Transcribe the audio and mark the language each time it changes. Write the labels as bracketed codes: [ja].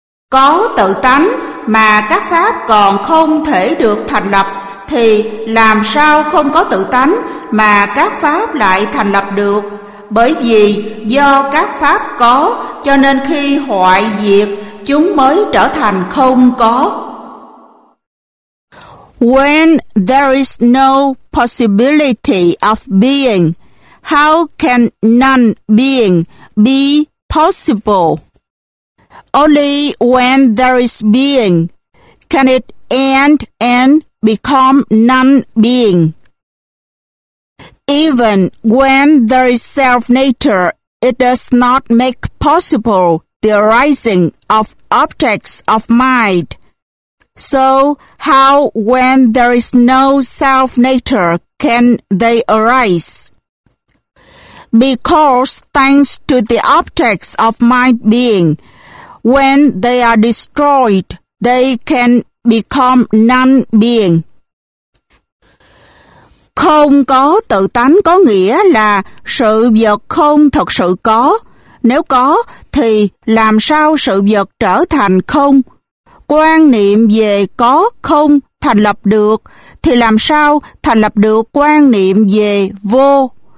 [vi] Có tự tánh mà các pháp còn không thể được thành lập, thì làm sao không có tự tánh mà các pháp lại thành lập được? Bởi vì do các pháp có, cho nên khi hoại diệt, chúng mới trở thành không có. [en] When there is no possibility of being, how can non-being be possible? Only when there is being can it end and become non-being. Even when there is self-nature, it does not make possible the arising of objects of mind. So, how when there is no self-nature can they arise? Because thanks to the objects of mind being, when they are destroyed, they can become non-being. [vi] Không có tự tánh có nghĩa là sự vật không thật sự có. Nếu có, thì làm sao sự vật trở thành không? Quan niệm về có không thành lập được, thì làm sao thành lập được quan niệm về vô?